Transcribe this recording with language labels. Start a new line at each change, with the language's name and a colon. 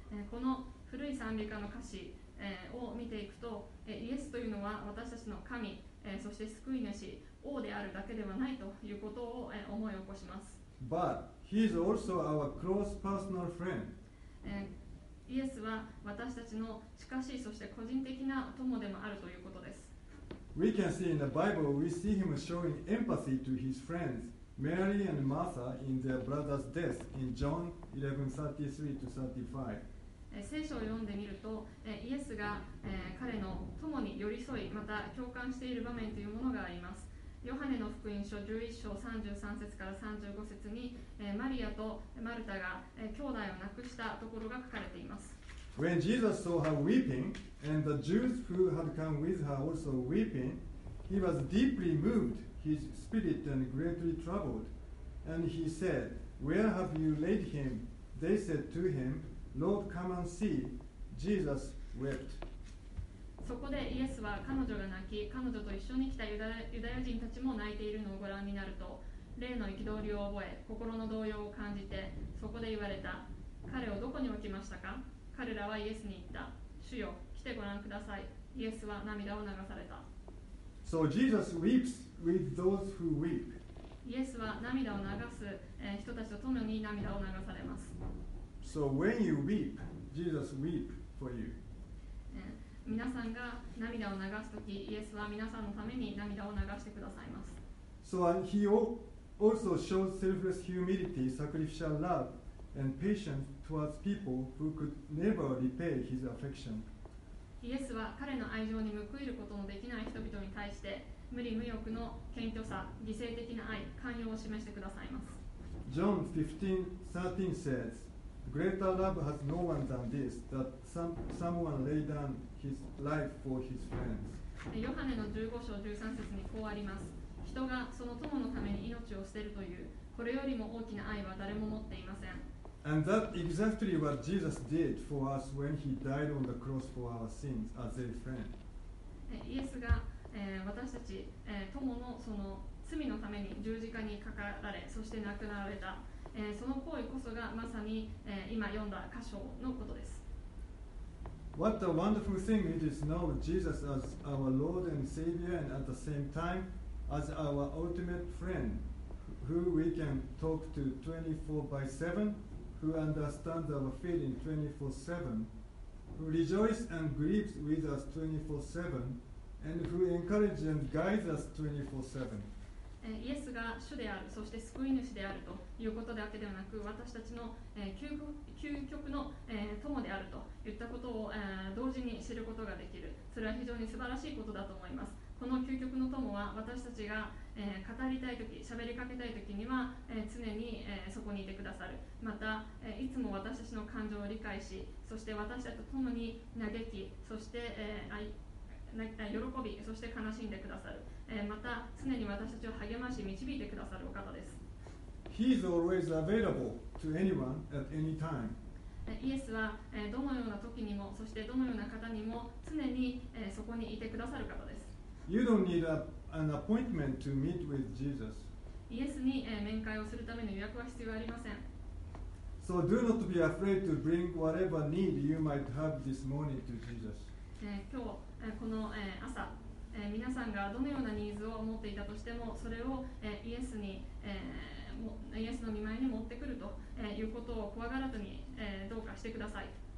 Japanese: この古い賛美歌の歌詞を見ていくと、イエスというのは私たちの神、そして救い主、王であるだけではないということを思い起こします。
English: But he is also our close personal friend.
Japanese: イエスは私たちの近しい、そして個人的な友でもあるということです。
English: We can see in the Bible, we see him showing empathy to his friends, Mary and Martha, in their brother's death in John 11:33-35.
Japanese: 聖書を読んでみると、イエスが彼の友に寄り添い、また共感している場面というものがあります。ヨハネの福音書11:33-35に、マリアとマルタが兄弟を亡くしたところが書かれています。
English: When Jesus saw her weeping, and the Jews who had come with her also weeping, he was deeply moved, his spirit and greatly troubled. And he said, Where have you laid him? They said to him, Lord, come and see. Jesus wept.
Japanese: そこでイエスは彼女が泣き、彼女と一緒に来たユダヤ人たちも泣いているのをご覧になると、霊の憤りを覚え、心の動揺を感じて、そこで言われた。彼をどこに置きましたか？彼らはイエスに言った。主よ、来てご覧ください。イエスは涙を流された。
English: So Jesus weeps with those who weep.
Japanese: イエスは涙を流す人たちと共に涙を流されます。
English: So when you weep, Jesus weep for you.
Japanese: 皆さんが涙を流すとき、イエスは皆さんのために涙を流してくださいます。
English: So he also shows selfless humility, sacrificial love, and patience towards people who could never repay his affection.
Japanese: イエスは彼の愛情に報いることのできない人々に対して、無理無欲の謙虚さ、犠牲的な愛、寛容を示してくださいます。
English: John 15:13 says,Greater love has no one than this, that someone laid down his life for his friends.
Japanese: ヨハネの15章13節にこうあります。人がその友のために命を捨てるという、これよりも大きな愛は誰も持っていません。
English: And that exactly what Jesus did for us when he died on the cross for our sins as a friend.
Japanese: イエスが、私たち、友のその罪のために十字架にかかられ、そして亡くなられた。その行為こそがまさに、今読んだ箇所のことです。
English: What a wonderful thing it is to know Jesus as our Lord and Savior and at the same time as our ultimate friend who we can talk to 24/7, who understands our feeling 24/7, who rejoices and grieves with us 24/7, and who encourages and guides us 24/7.
Japanese: イエスが主である、そして救い主であるということだけではなく、私たちの究極の友であるといったことを同時に知ることができる。それは非常に素晴らしいことだと思います。この究極の友は私たちが語りたいとき、喋りかけたいときには常にそこにいてくださる。また、いつも私たちの感情を理解し、そして私たちと共に嘆き、そして喜び、そして悲しんでくださる。また常に私たちを励まし導いてくださるお方です。
English: He is always available to anyone at any time.
Japanese: イエスはどのような時にも、そしてどのような方にも常にそこにいてくださる方です。
English: You don't need an appointment to meet with Jesus.
Japanese: イエスに面会をするための予約は必要ありません。
English: So do not be afraid to bring whatever need you might have this morning to Jesus.
Japanese: 今日この朝皆さんがどのようなニーズを持っていたとしても、それをイエスに、イエスの御前に持ってくるということを怖がらずにどうかしてください。